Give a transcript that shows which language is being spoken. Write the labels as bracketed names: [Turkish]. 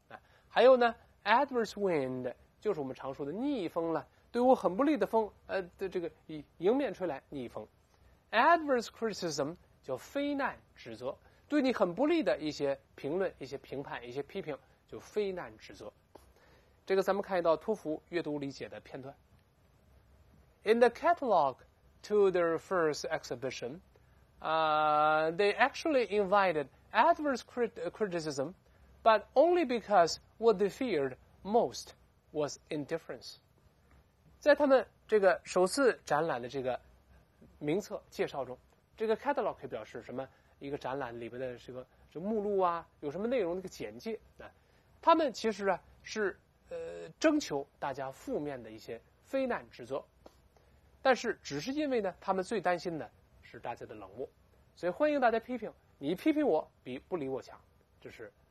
[Chinese] 哎，还有呢。Adverse wind 就是我们常说的逆风了，对我很不利的风，这个迎面吹来逆风。 Adverse criticism 叫非难指责，对你很不利的一些评论、一些评判、一些批评，就非难指责。这个咱们看一道托福阅读理解的片段。 [English] In the catalog to their first exhibition, they actually invited adverse criticism. But only because what they feared most was indifference. [Chinese] 在他们这个首次展览的这个名册介绍中，这个 catalog 可以表示什么？一个展览里边的这个目录啊，有什么内容的一个简介啊？他们其实啊是征求大家负面的一些非难指责，但是只是因为呢，他们最担心的是大家的冷漠，所以欢迎大家批评，你批评我比不理我强，这是。